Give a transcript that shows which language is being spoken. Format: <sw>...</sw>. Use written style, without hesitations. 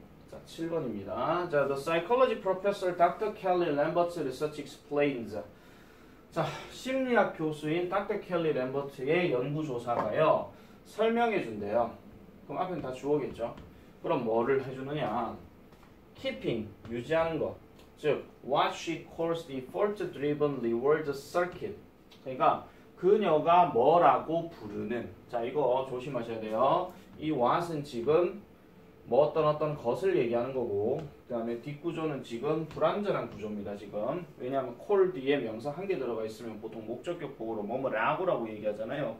<ko>자, 7번입니다. 자,</ko> <en>The psychology professor Dr. Kelly Lambert's research explains.</en> <ko>자, 심리학 교수인 닥터 켈리 램버트의 연구조사가요. 설명해 준대요. 그럼 앞에는 다 주어겠죠. 그럼 뭐를 해주느냐.</ko> <en>Keeping,</en> <ko>유지하는 것. 즉,</ko> <en>what she calls the fault-driven reward circuit.</en> <ko>그러니까 그녀가 뭐라고 부르는. 자, 이거 조심하셔야 돼요. 이 what은 지금 뭐 어떤 것을 얘기하는 거고, 그 다음에 뒷구조는 지금 불완전한 구조입니다. 지금 왜냐하면 call 뒤에 명사 한 개 들어가 있으면 보통 목적격 보호로 뭐뭐라고 얘기하잖아요.</ko>